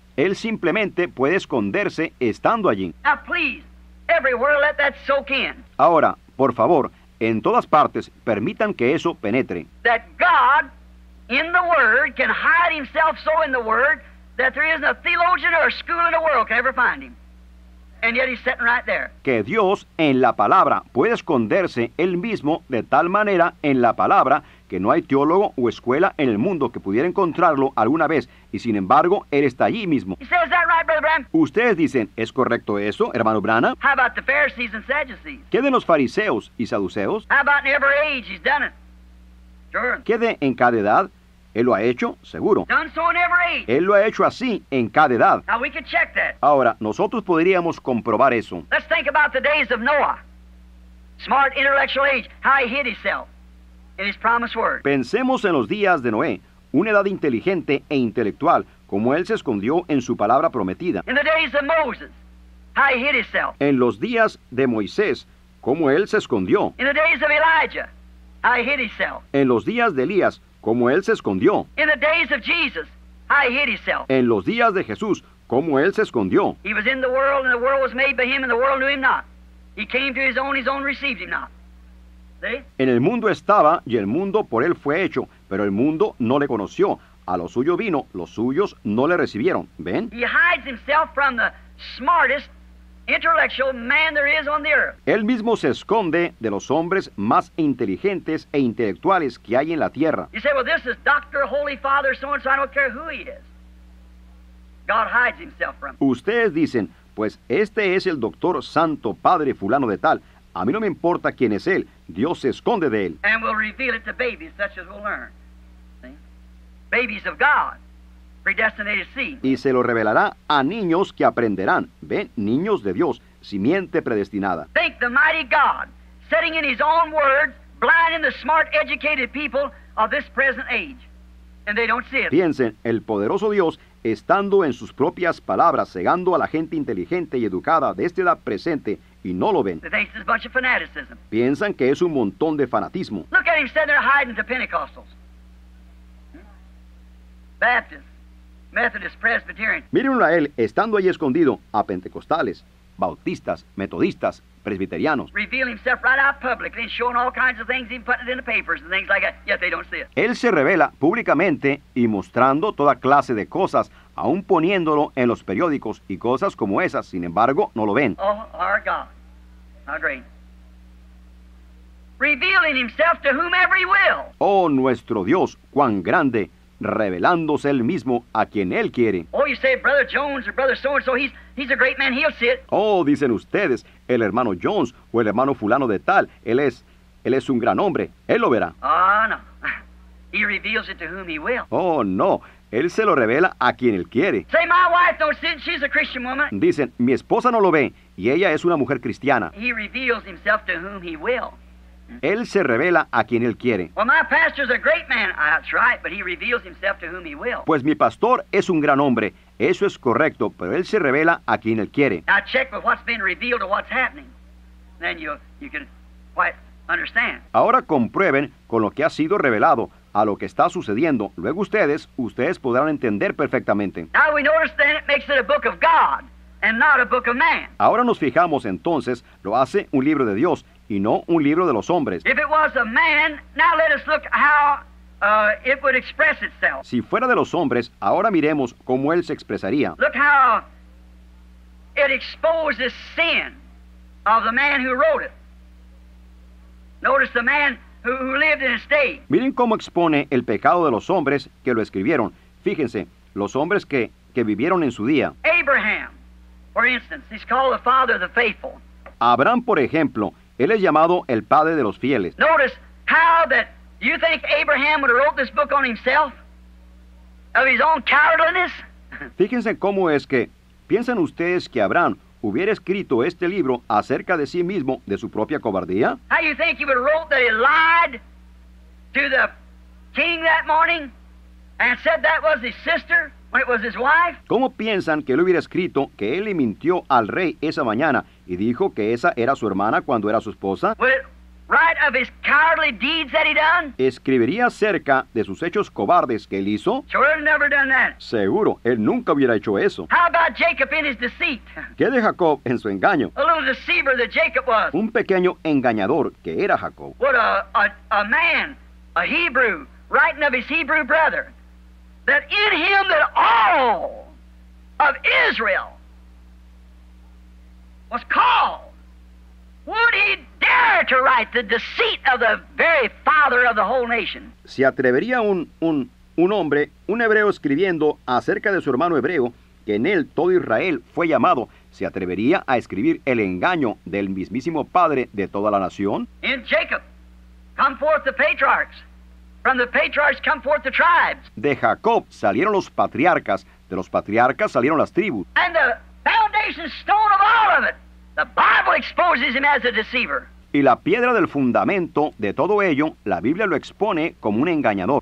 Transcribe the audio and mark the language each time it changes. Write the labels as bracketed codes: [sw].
[es] Él simplemente puede esconderse estando allí. [en] Now, please, everywhere, let that soak in. [es] Ahora, por favor, en todas partes, permitan que eso penetre. [en] That God, in the Word, can hide Himself so in the Word that there isn't a theologian or a school in the world can ever find Him. And yet He's sitting right there. [es] Que Dios, en la palabra, puede esconderse Él mismo de tal manera en la palabra que no hay teólogo o escuela en el mundo que pudiera encontrarlo alguna vez, y sin embargo, Él está allí mismo. [en] He says, "Is that right, Brother Branham?" [es] Ustedes dicen, ¿es correcto eso, hermano Branham? [en] How about the Pharisees and Sadducees? [es] ¿Qué de los fariseos y saduceos? [en] How about in every age He's done it? Sure. [es] ¿Qué de en cada edad? Él lo ha hecho, seguro. [en] Done so in every age. [es] Él lo ha hecho así en cada edad. [en] Now we can check that. [es] Ahora, nosotros podríamos comprobar eso. [en] Let's think about the days of Noah. Smart, intellectual age. How he hid himself in his promised word. [es] Pensemos en los días de Noé, una edad inteligente e intelectual, como él se escondió en su palabra prometida. [en] In the days of Moses, how he hid himself. [es] En los días de Moisés, como él se escondió. [en] In the days of Elijah, how he hid himself. [es] En los días de Elías, como él se escondió. [en] In the days of Jesus, how he hid himself. [es] En los días de Jesús, como él se escondió. [en] He was in the world, and the world was made by him, and the world knew him not. He came to his own received him not. [es] En el mundo estaba, y el mundo por él fue hecho, pero el mundo no le conoció. A lo suyo vino, los suyos no le recibieron. ¿Ven? [en] He hides himself from the smartest intellectual man there is on the earth. [es] Él mismo se esconde de los hombres más inteligentes e intelectuales que hay en la tierra. [en] You say, well, this is Dr. Holy Father, so-and-so, I don't care who he is. God hides himself from him. [es] Ustedes dicen, pues este es el doctor santo padre fulano de tal. A mí no me importa quién es él. Dios se esconde de él. [en] And we'll reveal it to babies, such as we'll learn. See? Babies of God. Predestinated seed. [es] Y se lo revelará a niños que aprenderán. Ven, niños de Dios, simiente predestinada. [en] Think the mighty God, sitting in His own word, blinding the smart, educated people of this present age, and they don't see it. [es] Piensen, el poderoso Dios, estando en sus propias palabras, cegando a la gente inteligente y educada de esta edad presente, y no lo ven. [en] They think it's a bunch of fanaticism. [es] Piensan que es un montón de fanatismo. [en] Look at him sitting there hiding to Pentecostals. Baptists. Methodist, Presbyterian. [es] Mírenlo a él, estando ahí escondido, a pentecostales, bautistas, metodistas, presbiterianos. [en] Reveal himself right out publicly and showing all kinds of things, even putting it in the papers and things like that, yet they don't see it. [es] Él se revela públicamente y mostrando toda clase de cosas, aún poniéndolo en los periódicos y cosas como esas, sin embargo, no lo ven. [en] Oh, our God. How great. Revealing himself to whomever he will. [es] Oh, nuestro Dios, cuán grande. Revelándose él mismo a quien él quiere. [en] Oh, you say Brother Jones or Brother so-and-so, he's a great man, he'll see it. [es] Oh, dicen ustedes, el hermano Jones o el hermano fulano de tal, él es un gran hombre, él lo verá. [en] Ah, no. He reveals it to whom he will. [es] Oh, no. Él se lo revela a quien él quiere. [en] Say, my wife don't see it, she's a Christian woman. [es] Dicen, mi esposa no lo ve, y ella es una mujer cristiana. [en] He reveals himself to whom he will. [es] Él se revela a quien él quiere. [en] Well, my pastor's a great man. That's right, but he reveals himself to whom he will. [es] Pues mi pastor es un gran hombre. Eso es correcto, pero él se revela a quien él quiere. [en] Now check with what's been revealed or what's happening. Then you can quite understand. [es] Ahora comprueben con lo que ha sido revelado a lo que está sucediendo. Luego ustedes podrán entender perfectamente. [en] Now we notice then it makes it a book of God and not a book of man. [es] Ahora nos fijamos entonces, lo hace un libro de Dios y no un libro de los hombres. [en] If it was a man, now let us look how it would express itself. [es] Si fuera de los hombres, ahora miremos cómo él se expresaría. [en] Look how it exposes sin of the man who wrote it. Notice the man who lived in a state. [es] Miren cómo expone el pecado de los hombres que lo escribieron. Fíjense, los hombres que vivieron en su día. [en] Abraham, for instance, he's called the father of the faithful. [es] Abraham, por ejemplo, él es llamado el padre de los fieles. [en] Notice how that you think Abraham would have wrote this book on himself, of his own cowardliness. [es] Fíjense cómo es que piensan ustedes que Abraham hubiera escrito este libro acerca de sí mismo, de su propia cobardía. [en] How you think he would have wrote that he lied to the king that morning and said that was his sister? When it was his wife? [es] ¿Cómo piensan que él hubiera escrito que él le mintió al rey esa mañana y dijo que esa era su hermana cuando era su esposa? [en] Would it write of his cowardly deeds that he done? [es] ¿Escribiría acerca de sus hechos cobardes que él hizo? [en] Sure, he'd never done that. [es] Seguro, él nunca hubiera hecho eso. [en] How about Jacob in his deceit? [es] ¿Qué de Jacob en su engaño? [en] A little deceiver that Jacob was. [es] Un pequeño engañador que era Jacob. [en] Would a man, a Hebrew, writing of his Hebrew brother, that in him that all of Israel was called, would he dare to write the deceit of the very father of the whole nation? [es] ¿Se atrevería un hombre, un hebreo, escribiendo acerca de su hermano hebreo, que en él todo Israel fue llamado, se atrevería a escribir el engaño del mismísimo padre de toda la nación? [en] In Jacob come forth the patriarchs. From the patriarchs come forth the tribes. [es] De Jacob salieron los patriarcas, de los patriarcas salieron las tribus. [en] And the foundation stone of all of it, the Bible exposes him as a deceiver. [es] Y la piedra del fundamento de todo ello, la Biblia lo expone como un engañador.